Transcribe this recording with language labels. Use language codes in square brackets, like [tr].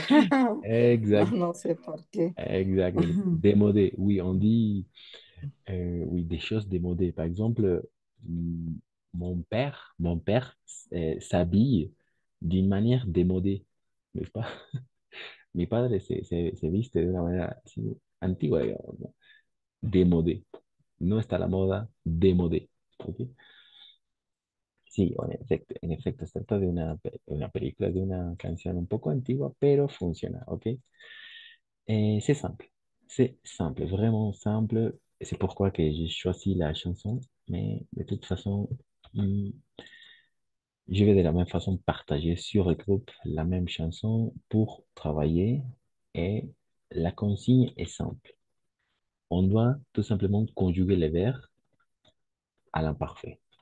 [fr] Non, Exact. non, c'est parti. Exact. Démodée. Oui, on dit oui, des choses démodées. Par exemple, mon père s'habille d'une manière démodée. N'est-ce pas? [es] Mi padre se viste de una manera así, antigua, digamos, ¿no? Démodé. No está a la moda, démodé. ¿Okay? Sí, en efecto, se trata de una película, de una canción un poco antigua, pero funciona, ¿ok? [fr] C'est simple, c'est simple, vraiment simple. C'est pourquoi que j'ai choisi la chanson, mais de toute façon, je vais de la même façon partager sur le groupe la même chanson pour travailler. Et la consigne est simple. On doit tout simplement conjuguer les verbes à l'imparfait.